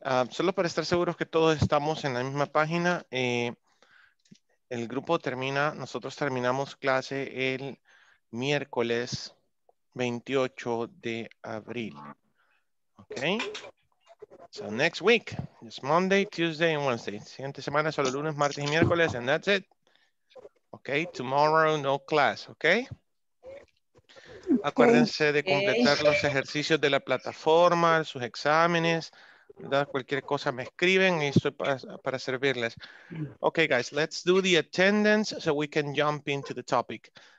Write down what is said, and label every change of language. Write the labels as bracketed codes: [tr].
[es] Solo para estar seguros que todos estamos en la misma página, el grupo termina, nosotros terminamos clase el miércoles 28 de abril. [en] Ok. So next week is Monday, Tuesday, and Wednesday. [es] Siguiente semana solo lunes, martes y miércoles, [en] and that's it. Okay, tomorrow no class, okay? [es] Okay. Acuérdense de completar los ejercicios de la plataforma, sus exámenes, ¿verdad? Cualquier cosa me escriben y estoy para servirles. [en] Okay, guys, let's do the attendance so we can jump into the topic.